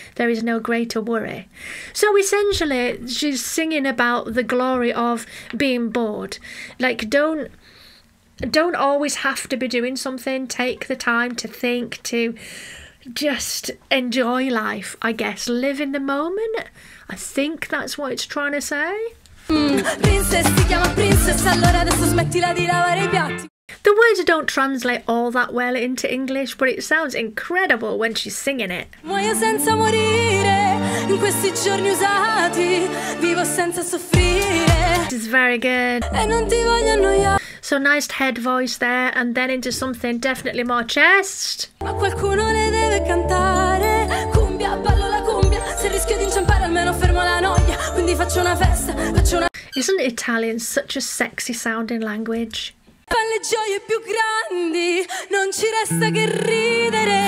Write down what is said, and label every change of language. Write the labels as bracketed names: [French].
[English] There is no greater worry. So essentially, she's singing about the glory of being bored. Like, don't don't always have to be doing something. Take the time to think, to just enjoy life, I guess. Live in the moment. I think that's what it's trying to say. [Italian] Princess, si chiama Princess, allora adesso smettila di lavare I piatti. [English] The words don't translate all that well into English, but it sounds incredible when she's singing it. [Italian] Muoio senza morire, in questi giorni usati, vivo senza soffrire. [English] This is very good. [Italian] E non ti voglio annoiare. [English] So nice head voice there, and then into something definitely more chest. [Italian] Ma qualcuno le deve cantare, cumbia, ballo la cumbia, se rischio di inciampare almeno fermo la noia, quindi faccio una festa, faccio una... [English] Isn't Italian such a sexy sounding language? [Italian] Le gioie più grandi, non ci resta che ridere.